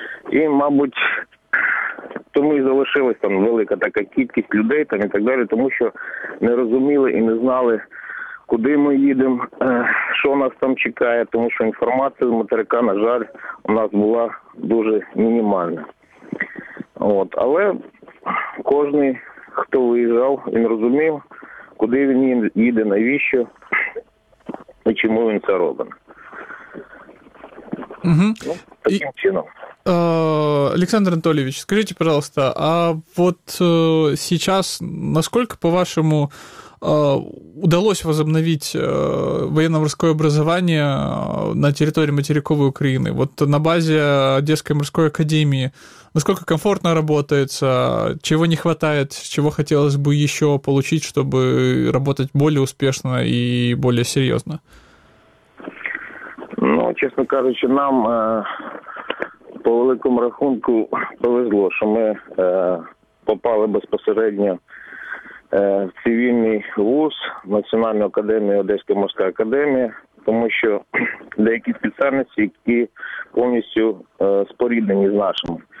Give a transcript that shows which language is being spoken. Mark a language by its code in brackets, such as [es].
[uk] І, мабуть, тому і залишилась там велика така кількість людей там і так далі, тому що не розуміли і не знали, куди ми їдемо, що нас там чекає, тому що інформація з материка, на жаль, у нас була дуже мінімальна. От. Але кожен, хто виїжджав, він розумів, куди він їде, навіщо і чому він це робить. Угу. Ну, таким чином. [ru] Александр Анатольевич, скажите, пожалуйста, а вот сейчас насколько, по-вашему, удалось возобновить военно-морское образование на территории материковой Украины? Вот на базе Одесской морской академии насколько комфортно работается? Чего не хватает? Чего хотелось бы еще получить, чтобы работать более успешно и более серьезно? Ну, честно говоря, нам... [uk] По великому рахунку повезло, що ми попали безпосередньо в цивільний вуз Національної академії Одеської морської академії, тому що деякі спеціальності, які повністю споріднені з нашими.